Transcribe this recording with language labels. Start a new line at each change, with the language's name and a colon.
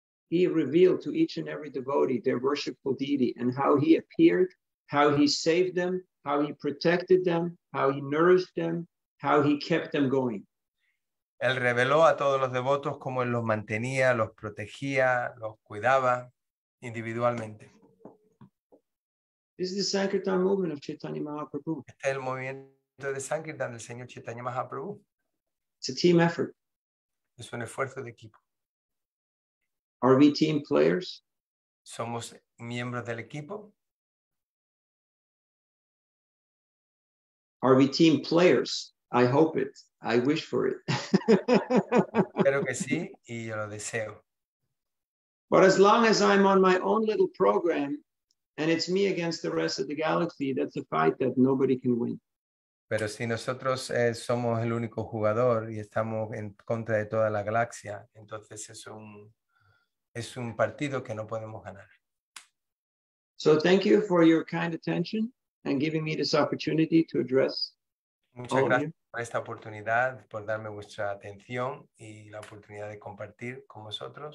English: he revealed to each and every devotee their worshipful deity and how he appeared, how he saved them, how he protected them, how he nourished them, how he kept them going.
Spanish: Él reveló a todos los devotos cómo él los mantenía, los protegía, los cuidaba individualmente.
English: This is the Sankirtan movement of Chaitanya Mahaprabhu.
Spanish: Este es el movimiento de Sankirtan del señor Chaitanya Mahaprabhu.
English: It's a team effort.
Spanish: Es un esfuerzo de equipo.
English: Are we team players?
Spanish: Somos miembros del equipo.
English: Are we team players? I hope it. I wish for it.
Spanish: Espero que sí y yo lo deseo.
English: But as long as I'm on my own little program and it's me against the rest of the galaxy, that's a fight that nobody can win.
Spanish: Pero si nosotros somos el único jugador y estamos en contra de toda la galaxia, entonces es un partido que no podemos ganar.
English: So thank you for your kind attention and giving me this opportunity to address.
Spanish: Muchas gracias por esta oportunidad, por darme vuestra atención y la oportunidad de compartir con vosotros.